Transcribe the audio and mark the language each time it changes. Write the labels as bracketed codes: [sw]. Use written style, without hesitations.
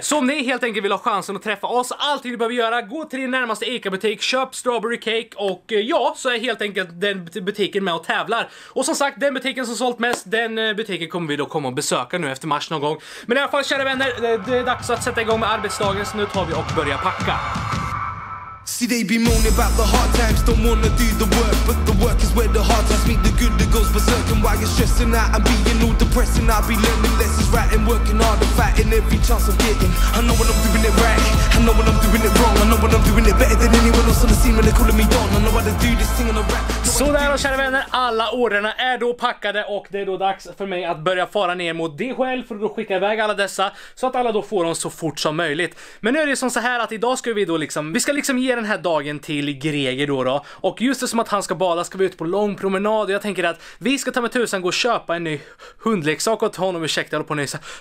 [sv] Så om ni helt enkelt vill ha chansen att träffa oss, allt ni behöver göra, gå till din närmaste ICA-butik, köp strawberry cake och ja, så är helt enkelt den butiken med och tävlar. Och som sagt, den butiken som sålt mest, den butiken kommer vi då komma och besöka nu efter mars någon gång. Men i alla fall, kära vänner, det är dags att sätta igång med arbetsdagen, så nu tar vi och börjar packa. [en] See they be moaning about the hard times, don't wanna do the work, but the work is where the hard times meet the good that goes berserk. And while you're stressing out and being all depressing, I'll be learning lessons right and working hard and fighting every chance I'm getting. I know when I'm doing it right, I know when I'm doing it wrong, I know when I'm doing it better than anyone else on the scene when they're calling me Don. I know how to do this thing and I rap. [sv] Sådär då, kära vänner, alla orderna är då packade och det är då dags för mig att börja fara ner mot DHL för att då skicka iväg alla dessa, så att alla då får dem så fort som möjligt. Men nu är det ju som så här att idag ska vi då liksom, vi ska liksom ge den här dagen till Greger då. Och just det, som att han ska bada, ska vi ut på lång promenad. Och jag tänker att vi ska ta med tusan gå och köpa en ny hundleksak åt honom. Ursäkta, jag håller på att nysa.